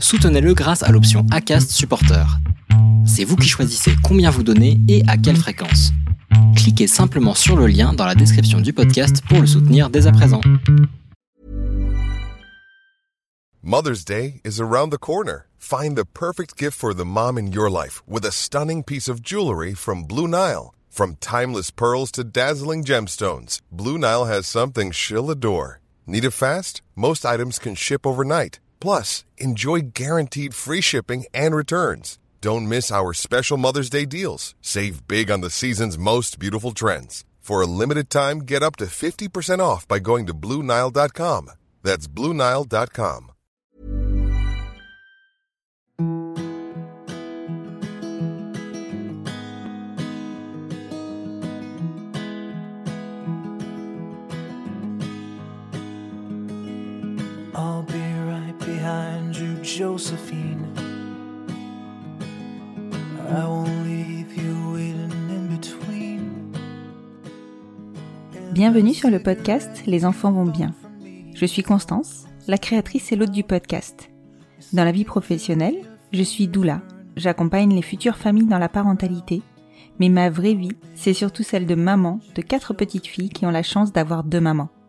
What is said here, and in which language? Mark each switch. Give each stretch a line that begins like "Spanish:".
French: Soutenez-le grâce à l'option Acast Supporter. C'est vous qui choisissez combien vous donnez et à quelle fréquence. Cliquez simplement sur le lien dans la description du podcast pour le soutenir dès à présent.
English: Mother's Day is around the corner. Find the perfect gift for the mom in your life with a stunning piece of jewelry from Blue Nile. From timeless pearls to dazzling gemstones, Blue Nile has something she'll adore. Need it fast? Most items can ship overnight. Plus, enjoy guaranteed free shipping and returns. Don't miss our special Mother's Day deals. Save big on the season's most beautiful trends. For a limited time, get up to 50% off by going to BlueNile.com. That's BlueNile.com. I'll be right behind you, Josephine. I won't leave you waiting in between.
French: Bienvenue sur le podcast Les enfants vont bien. Je suis Constance, la créatrice et l'hôte du podcast. Dans la vie professionnelle, je suis doula. J'accompagne les futures familles dans la parentalité. Mais ma vraie vie, c'est surtout celle de maman de quatre petites filles qui ont la chance d'avoir deux mamans.